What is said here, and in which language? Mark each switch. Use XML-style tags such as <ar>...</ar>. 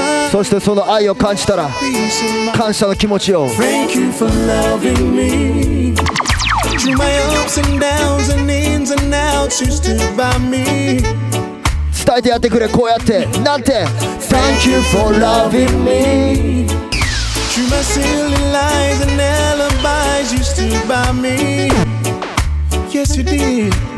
<ja>そしてその愛を感じたら、感謝の気持ちを。</ja> <en>Thank you for loving me. Through my ups and downs and ins and outs, you stood by me.</en> <ja>伝えてやってくれ、こうやって、なんて。</ja> <en>Thank you for loving me. Through my silly lies and alibis, you stood by me. Yes, you did.</en>